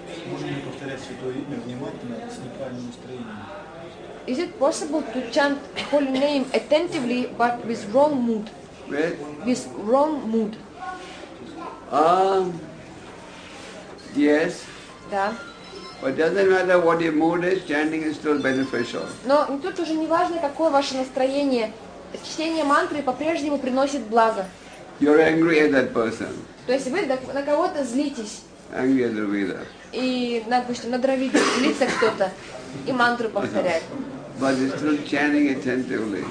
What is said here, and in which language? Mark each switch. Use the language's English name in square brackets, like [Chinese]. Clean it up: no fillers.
[Russian] Можем ли повторять святое имя внимательно с неправильным настроением? [English] Is it possible to chant holy name attentively but with wrong mood? Right? With wrong mood. Yes. [Russian] Да. [English] But doesn't matter what your mood is, chanting is still beneficial. [Russian] Но тут уже не важно, какое ваше настроение. Чтение мантры по-прежнему приносит благо. [English] You're angry at that person. [Russian] То есть вы на кого-то злитесь. [English] Angry at Dravida. [Russian] И, допустим, на Дравиде злится кто-то и мантру повторяет. [English] But you're still chanting attentively.